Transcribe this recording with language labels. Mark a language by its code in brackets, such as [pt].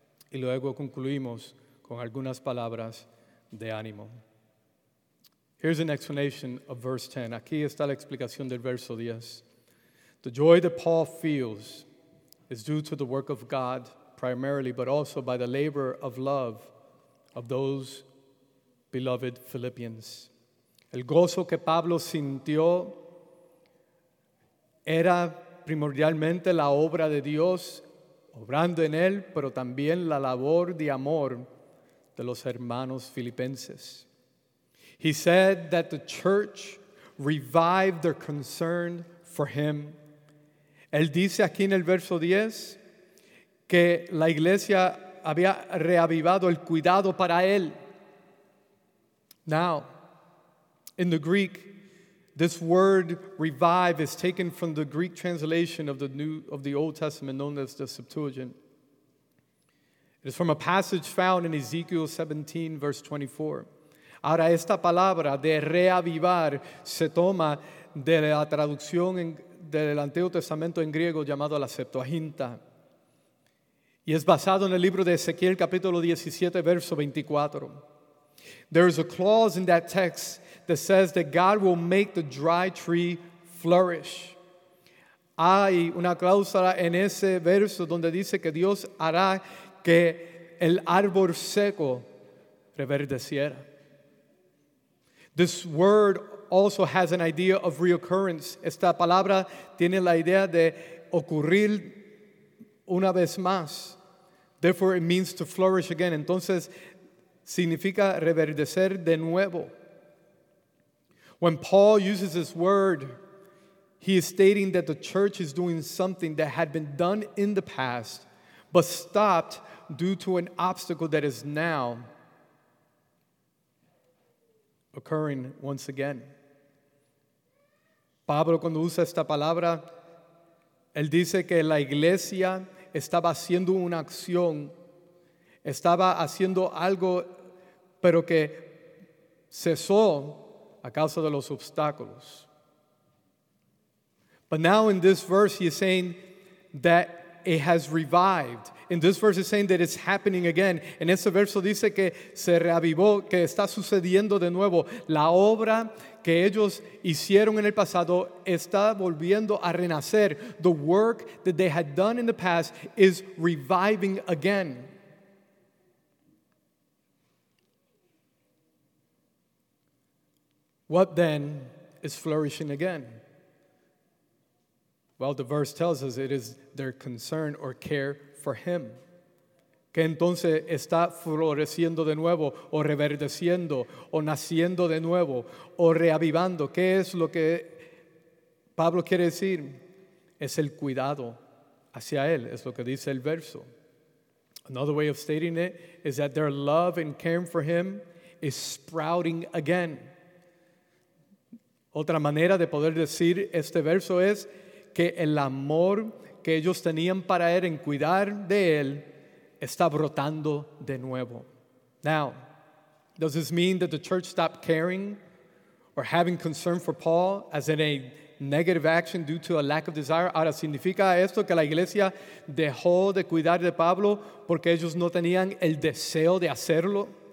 [es] Y luego concluimos con algunas palabras de ánimo. [en] Here's an explanation of verse 10. [es] Aquí está la explicación del verso 10. [en] The joy that Paul feels is due to the work of God primarily, but also by the labor of love of those beloved Philippians. [es] El gozo que Pablo sintió era primordialmente la obra de Dios obrando en él, pero también la labor de amor de los hermanos filipenses. [en] He said that the church revived their concern for him. [es] Él dice aquí en el verso 10 que la iglesia había reavivado el cuidado para él. [en] Now, in the Greek, this word revive is taken from the Greek translation of the Old Testament known as the Septuagint. It is from a passage found in Ezekiel 17, verse 24. [es] Ahora, esta palabra de reavivar se toma de la traducción del Antiguo Testamento en griego llamado la Septuaginta. Y es basado en el libro de Ezequiel, capítulo 17, verso 24. [en] There is a clause in that text that says that God will make the dry tree flourish. [es] Hay una cláusula en ese verso donde dice que Dios hará que el árbol seco reverdeciera. [en] This word also has an idea of reoccurrence. [es] Esta palabra tiene la idea de ocurrir una vez más. [en] Therefore, it means to flourish again. [es] Entonces, significa reverdecer de nuevo. [en] When Paul uses this word, he is stating that the church is doing something that had been done in the past, but stopped due to an obstacle that is now occurring once again. [es] Pablo, cuando usa esta palabra, él dice que la iglesia estaba haciendo una acción, estaba haciendo algo, pero que cesó a causa de los obstáculos. [en] But now in this verse, he is saying that it has revived. In this verse, he's saying that it's happening again. [es] En ese verso dice que se reavivó, que está sucediendo de nuevo. La obra que ellos hicieron en el pasado está volviendo a renacer. [en] The work that they had done in the past is reviving again. What then is flourishing again? Well, the verse tells us it is their concern or care for him. [es] Que entonces está floreciendo de nuevo, o reverdeciendo, o naciendo de nuevo, o reavivando. ¿Qué es lo que Pablo quiere decir? Es el cuidado hacia él, es lo que dice el verso. [en] Another way of stating it is that their love and caring for him is sprouting again. [es] Otra manera de poder decir este verso es que el amor que ellos tenían para él en cuidar de él está brotando de nuevo. [en] Now, does this mean that the church stopped caring or having concern for Paul as in a negative action due to a lack of desire. [es] Ahora, ¿significa esto que la iglesia dejó de cuidar de Pablo porque ellos no tenían el deseo de hacerlo?